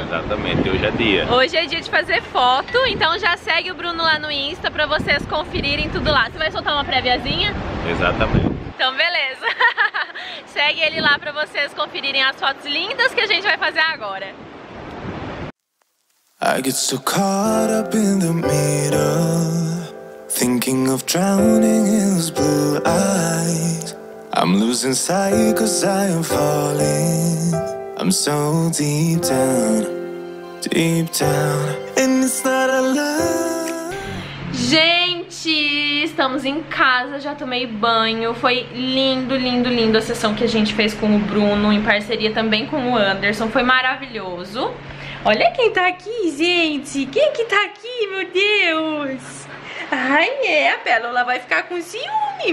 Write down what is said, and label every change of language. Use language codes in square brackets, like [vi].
[pt] Exatamente, hoje é dia. Hoje é dia de fazer foto, então já segue o Bruno lá no Insta pra vocês conferirem tudo lá. Você vai soltar uma préviazinha? Exatamente. Então, beleza. Segue ele lá pra vocês conferirem as fotos lindas que a gente vai fazer agora. [en] I get so caught up in the middle, thinking of drowning in his blue eyes. I'm losing sight 'cause I am falling. I'm so deep down, deep down. And it's not a love. [pt] Gente, estamos em casa, já tomei banho. Foi lindo, lindo, lindo a sessão que a gente fez com o Bruno, em parceria também com o Anderson. Foi maravilhoso. Olha quem tá aqui, gente. Quem que tá aqui, meu Deus? Ai, é, a Pérola vai ficar com ciúme.